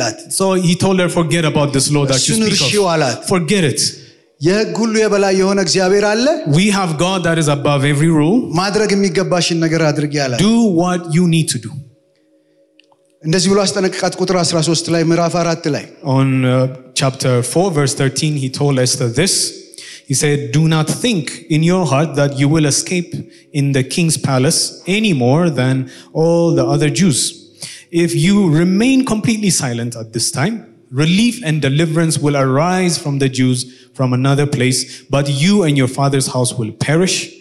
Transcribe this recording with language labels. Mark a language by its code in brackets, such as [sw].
[en] So he told her, forget about this law that you speak of. Forget it. We have God that is above every rule. Do what you need to do. [am] እንደዚህ ብሎ አስጠነቀቃት ቁጥር 13 ላይ ምዕራፍ 4 ላይ [en] on chapter 4 verse 13 he told Esther this. He said, do not think in your heart that you will escape in the king's palace any more than all the other Jews. If you remain completely silent at this time, relief and deliverance will arise from the Jews from another place, but you and your father's house will perish.